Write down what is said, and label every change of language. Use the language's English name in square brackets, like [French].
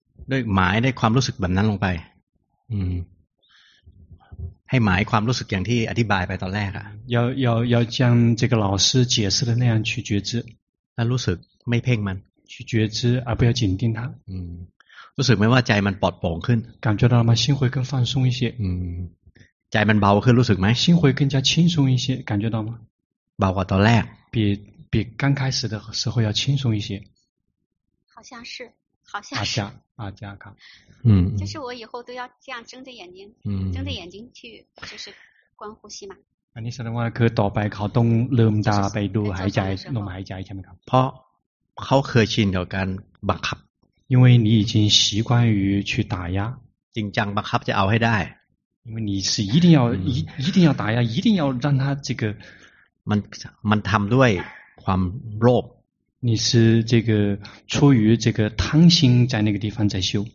[Thai] ด้วยหมายได้ความรู้สึกแบบนั้นลงไปให้หมายความรู้สึกอย่างที่อธิบายไปตอนแรกอะ [Chinese] 要将这个老师解释的那样去觉知 [Thai] แล้วรู้สึกไม่เพ่งมัน [Chinese] 去觉知而不要紧盯它 [Thai] รู้สึกไหมว่าใจมันปลอดโปร่งขึ้น [Chinese] 感觉到吗心会更放松一些 [Thai] ใจมันเบาขึ้นรู้สึกไหม [Chinese] 心会更加轻松一些感觉到吗 [Thai] เบากว่าตอนแรก [Chinese] 比刚开始的时候要轻松一些好像是好像是阿加卡就是我以后都要这样睁着眼睛睁着眼睛去就是观呼吸嘛 [Thai] อันนี้แสดงว่าคือต่อไปเขาต้องลืมตาไปดูหายใจลมหายใจใช่ไหมครับ เพราะเขาเคยชินกับการบังคับ [Chinese] 因为你已经习惯于去打压 [Thai] จริงจังบังคับจะเอาให้ได้ [Chinese] 因为你是一定要一定要打压一定要让他这个 [Thai] มันทำด้วยความโลภ [Chinese] 你是这个出于这个贪心在那个地方在修